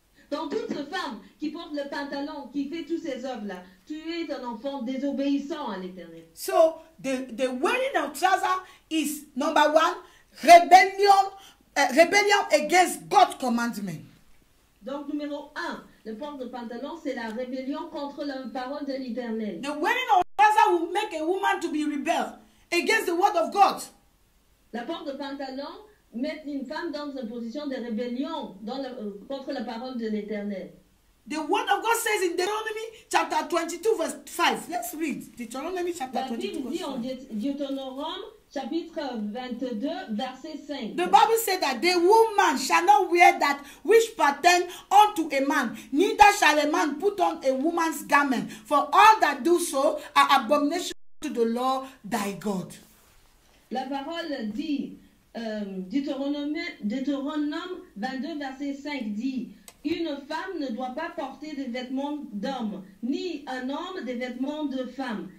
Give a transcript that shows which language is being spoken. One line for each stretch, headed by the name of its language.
French: Donc toute femme qui porte le pantalon, qui fait toutes ces œuvres-là, tu es un enfant désobéissant à l'Éternel.
English: So the wearing of trouser is number one, rebellion against God's commandment.
French: Donc numéro un, le port de pantalon, c'est la rébellion contre la parole de l'Éternel.
English: The wearing of trouser will make a woman to be rebel against the word of God.
French: La porte de pantalon mettre une femme dans une position de rébellion contre la parole de l'Éternel.
English: The word of God says in Deuteronomy chapter 22 verse 5. Let's read Deuteronomy chapter 22 verse 5.
French: Deuteronomy chapitre 22 verset 5.
English: The Bible said that the woman shall not wear that which pertain unto a man, neither shall a man put on a woman's garment, for all that do so are abomination to the Lord thy God.
French: La parole dit Deutéronome 22 verset 5 dit: une femme ne doit pas porter des vêtements d'homme, ni un homme des vêtements de femme.